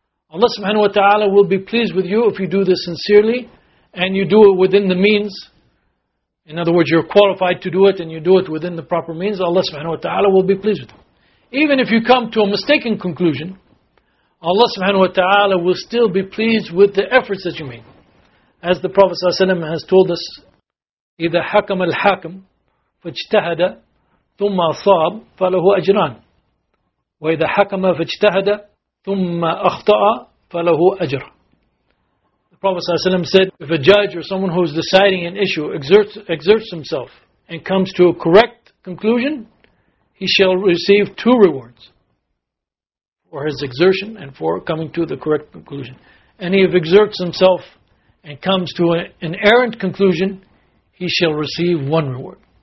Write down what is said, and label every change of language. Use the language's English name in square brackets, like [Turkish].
[English] Allah subhanahu wa ta'ala will be pleased with you if you do this sincerely and you do it within the means. In other words, you're qualified to do it and you do it within the proper means. Allah subhanahu wa ta'ala will be pleased with you. Even if you come to a mistaken conclusion, Allah subhanahu wa ta'ala will still be pleased with the efforts that you made. As the Prophet ﷺ has told us, [Arabic] إِذَا حَكَمَ الْحَاكَمُ فَاجْتَهَدَ ثُمَّ صَاب فَلَهُ أَجْرَانَ وَإِذَا حَكَمَ فَاجْتَهَدَ ثُمَّ أَخْطَأَ فَلَهُ أَجْرَ. [English] The Prophet ﷺ said, if a judge or someone who is deciding an issue exerts himself and comes to a correct conclusion, he shall receive two rewards for his exertion and for coming to the correct conclusion. And if he exerts himself and comes to an errant conclusion, he shall receive one reward.